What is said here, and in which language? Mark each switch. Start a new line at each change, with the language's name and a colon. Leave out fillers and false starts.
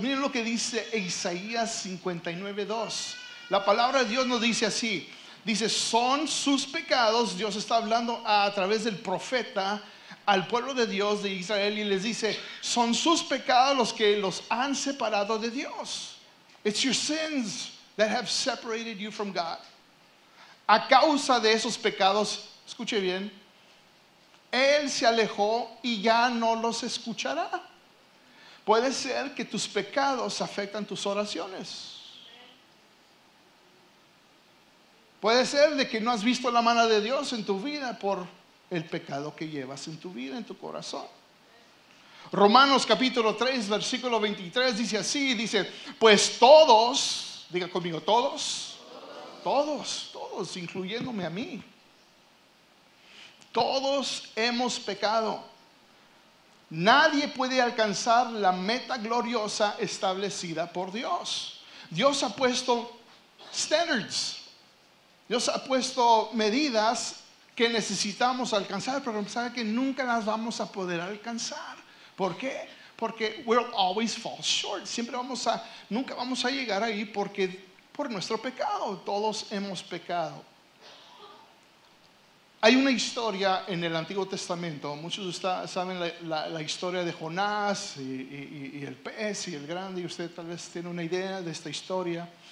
Spanish: Miren lo que dice Isaías 59:2. La palabra de Dios nos dice así. Dice: son sus pecados. Dios está hablando a través del profeta al pueblo de Dios de Israel y les dice: son sus pecados los que los han separado de Dios.
English: It's your sins that have separated you from God.
Spanish: A causa de esos pecados, escuche bien, Él se alejó y ya no los escuchará. Puede ser que tus pecados afectan tus oraciones. Puede ser de que no has visto la mano de Dios en tu vida por el pecado que llevas en tu vida, en tu corazón. Romanos capítulo 3, versículo 23 dice así, dice: pues todos, diga conmigo, todos, todos, todos, incluyéndome a mí, todos hemos pecado. Nadie puede alcanzar la meta gloriosa establecida por Dios. Dios ha puesto standards. Dios ha puesto medidas que necesitamos alcanzar, pero sabe que nunca las vamos a poder alcanzar. ¿Por qué? Porque
English: we'll always fall short.
Spanish: Siempre vamos a, nunca vamos a llegar ahí porque por nuestro pecado. Todos hemos pecado. Hay una historia en el Antiguo Testamento. Muchos de ustedes saben la historia de Jonás y el pez y el grande. Y usted tal vez tiene una idea de esta historia.